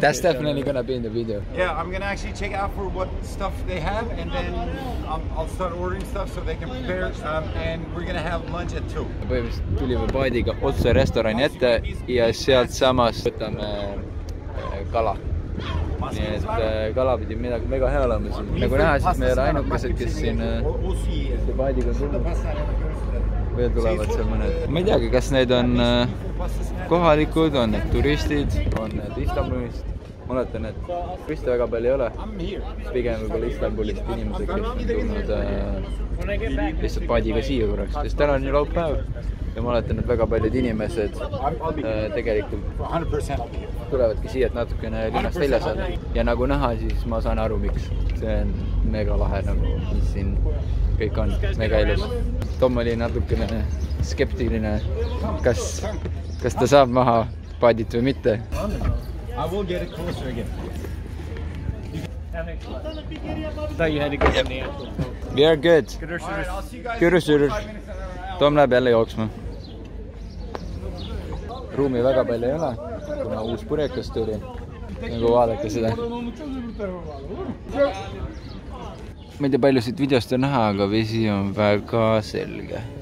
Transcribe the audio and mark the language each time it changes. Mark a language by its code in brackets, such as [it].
[en] That's definitely gonna be in the video. Yeah, I'm gonna actually check out for what stuff they have, and then I'll start ordering stuff so they can prepare. And we're gonna have lunch at 2. [et] Me tulime paadiga otse restorani ette ja sealt samas võtame kala. Nii et kala pidi midagi mega hea olema siin. Nagu näha, siis me ei ole ainukesed, kes siin paadiga tulevad. Või tulevad seal mõned. Ma ei teagi, kas need on kohalikud, on need turistid, on need Istanbulist. Ma oletan, et turiste väga palju ei ole. Pigem võib-olla Istanbulist inimesed, kes on tulnud lihtsalt paadiga siia korraks. Sest täna on ju laupäev. Ja ma oletan, et väga paljud inimesed tegelikult tulevadki siia, et natukene linnast välja saada. Ja nagu näha, siis ma saan aru, miks. See on mega lahe, nagu mis siin kõik on. Mega ilus. Tom oli natukene skeptiline, kas ta saab maha paadit või mitte. [en] I will get it closer again. I thought you had to go from the airport. We are good. Kudusurus. [et] Tom läheb jälle jooksma. Ruumi väga palju ei ole, kuna uus purjekas tuli. Nagu vaadake seda. Ma ei tea palju siit videost on näha, aga vesi on väga selge.